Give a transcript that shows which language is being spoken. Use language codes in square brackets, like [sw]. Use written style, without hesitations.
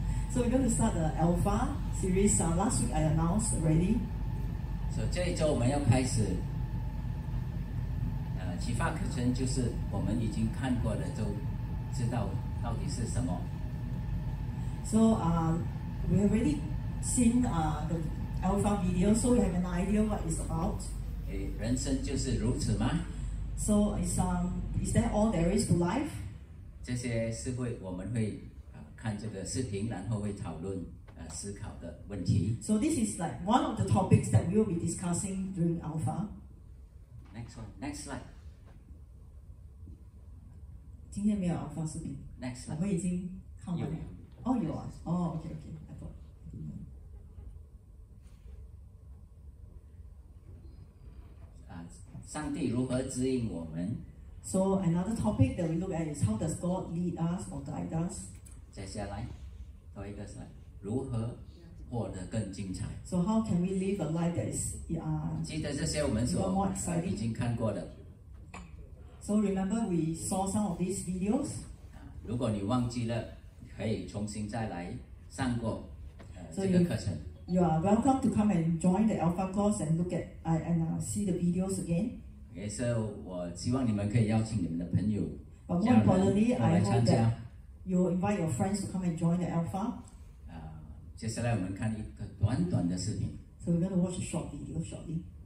[en] So we're going to start the Alpha series. Last week I announced already. [zh] So 这一周我们要开始启发课程，就是我们已经看过的都知道到底是什么。 [en] So we have already seen the Alpha video, so we have an idea what it's about. [zh] Okay, 人生就是如此吗？ [en] So is that all there is to life? [zh] 这些是会我们会看这个视频，然后会讨论思考的问题。 [en] So this is like one of the topics that we will be discussing during Alpha. Next one, next slide. [zh] 今天没有 Alpha 视频。 [en] Next slide. [zh] 我们已经看完了。有。哦，有啊。哦 [en] ，OK，OK，I thought. [zh] 上帝如何指引我们 [en] ？So another topic that we look at is how does God lead us or guide us? [zh] 接下来，多一个是如何活得更精彩。 [en] So how can we live a life that is [zh] 记得这些我们所已经看过的。 [en] So remember we saw some of these videos. [zh] 如果你忘记了，可以重新再来上过这个课程。 [en] You are welcome to come and join the Alpha course and look at see the videos again. [zh] Okay, so 我希望你们可以邀请你们的朋友。 [en] But more importantly, I hope that You will invite your friends to come and join the Alpha. [zh] 接下来我们看一个短短的视频。 [en] So we're going to watch a short video shortly.